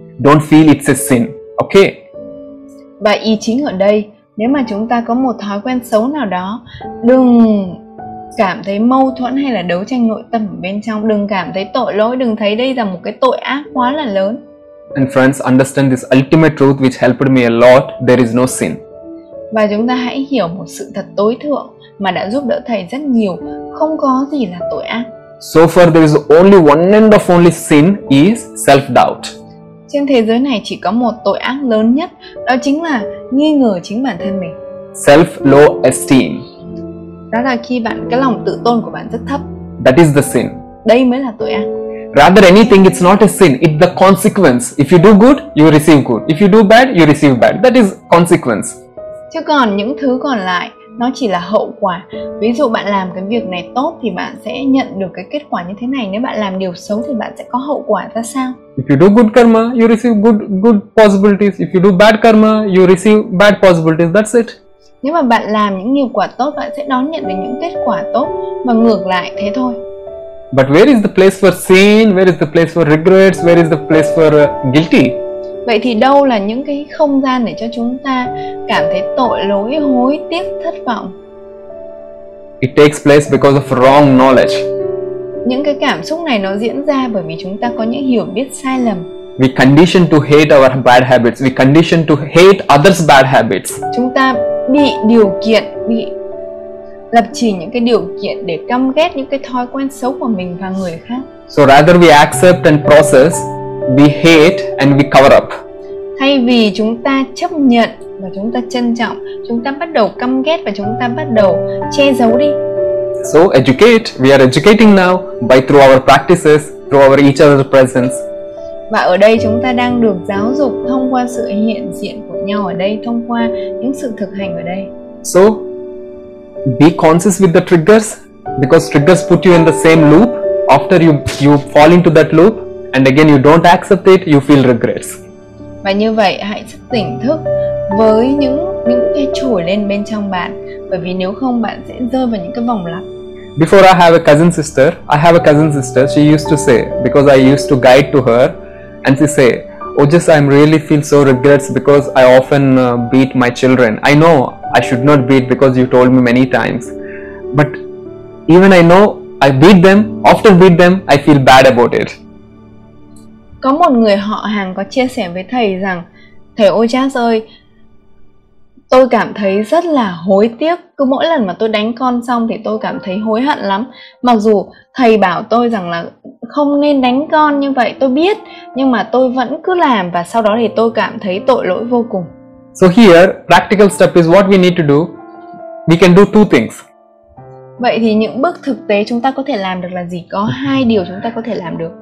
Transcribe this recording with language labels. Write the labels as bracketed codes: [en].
[en] Don't feel it's a sin. Okay? [vi] Và ý chính ở đây, nếu mà chúng ta có một thói quen xấu nào đó, đừng cảm thấy mâu thuẫn hay là đấu tranh nội tâm bên trong, đừng cảm thấy tội lỗi, đừng thấy đây là một cái tội ác quá là lớn. [en] And friends, understand this ultimate truth which helped me a lot, there is no sin. [vi] Và chúng ta hãy hiểu một sự thật tối thượng mà đã giúp đỡ thầy rất nhiều, không có gì là tội ác. [en] So far there is only one end of only sin is self-doubt. [vi] Trên thế giới này chỉ có một tội ác lớn nhất, đó chính là nghi ngờ chính bản thân mình. [en] Self-low esteem. [vi] Đó là khi bạn cái lòng tự tôn của bạn rất thấp. [en] That is the sin. [vi] Đây mới là tội ác. [en] Rather anything, it's not a sin. It's the consequence. If you do good, you receive good. If you do bad, you receive bad. That is consequence. [vi] Chứ còn những thứ còn lại, nó chỉ là hậu quả. Ví dụ bạn làm cái việc này tốt thì bạn sẽ nhận được cái kết quả như thế này. Nếu bạn làm điều xấu thì bạn sẽ có hậu quả ra sao? [en] If you do good karma, you receive good possibilities. If you do bad karma, you receive bad possibilities. That's it. [vi] Nếu mà bạn làm những nhiều quả tốt, bạn sẽ đón nhận được những kết quả tốt, mà ngược lại thế thôi. [en] But where is the place for sin? Where is the place for regrets? Where is the place for guilty? [vi] Vậy thì đâu là những cái không gian để cho chúng ta cảm thấy tội lỗi, hối tiếc, thất vọng? [en] It takes place because of wrong knowledge. [vi] Những cái cảm xúc này nó diễn ra bởi vì chúng ta có những hiểu biết sai lầm. [en] We condition to hate our bad habits. We condition to hate others' bad habits. [vi] Chúng ta bị điều kiện, bị lập trì những cái điều kiện để căm ghét những cái thói quen xấu của mình và người khác. [en] So rather we accept and process we hate and we cover up. [vi] Thay vì chúng ta chấp nhận và chúng ta trân trọng, chúng ta bắt đầu căm ghét và chúng ta bắt đầu che giấu đi. [en] So educate, we are educating now by through our practices, through our each other's presence. [vi] Và ở đây chúng ta đang được giáo dục thông qua sự hiện diện của nhau ở đây, thông qua những sự thực hành ở đây. [en] So be conscious with the triggers, because triggers put you in the same loop. After you fall into that loop and again you don't accept it, you feel regrets. [vi] Và như vậy hãy tỉnh thức với những cái trồi lên bên trong bạn, bởi vì nếu không bạn sẽ rơi vào những cái vòng lặp. [en] Before I have a cousin sister, she used to say, because I used to guide to her, and she say, Ojas, I really feel so regrets because I often beat my children. I know I should not beat because you told me many times, but even I know I beat them, often beat them, I feel bad about it. [vi] Có một người họ hàng có chia sẻ với thầy rằng, thầy Ojas ơi, tôi cảm thấy rất là hối tiếc. Cứ mỗi lần mà tôi đánh con xong thì tôi cảm thấy hối hận lắm. Mặc dù thầy bảo tôi rằng là không nên đánh con như vậy, tôi biết, nhưng mà tôi vẫn cứ làm và sau đó thì tôi cảm thấy tội lỗi vô cùng. [en] So here, practical step is what we need to do. We can do two things. [vi] Vậy thì những bước thực tế chúng ta có thể làm được là gì? Có hai điều chúng ta có thể làm được.